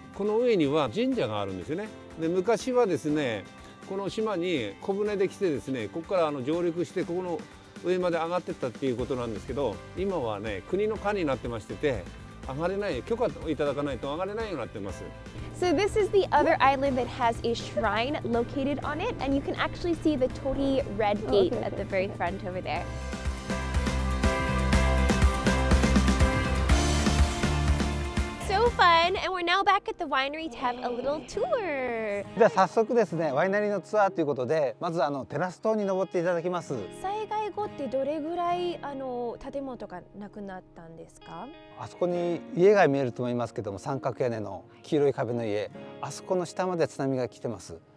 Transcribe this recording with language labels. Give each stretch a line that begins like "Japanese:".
Japanese: この上には神社があるんですよね。で、昔はですね、この島に小舟で来てですね、ここから上陸してここの上まで上がってったっていうことなんですけど、今はね、国の管になってましてて、上がれない、許可をいただかないと上がれないようになってます。
English: So this is the other island that has a shrine located on it, and you can actually see the Tori Red Gate at the very front over there. So fun! And we're now back at the winery to have a little tour.
Japanese: じゃあ早速ですね、ワイナリーのツアーということで、まずテラス棟に登っていただきます。災害後ってどれぐらい建物がなくなったんですか？あそこに家が見えると思いますけども、三角屋根の黄色い壁の家、あそこの下まで津波が来てます。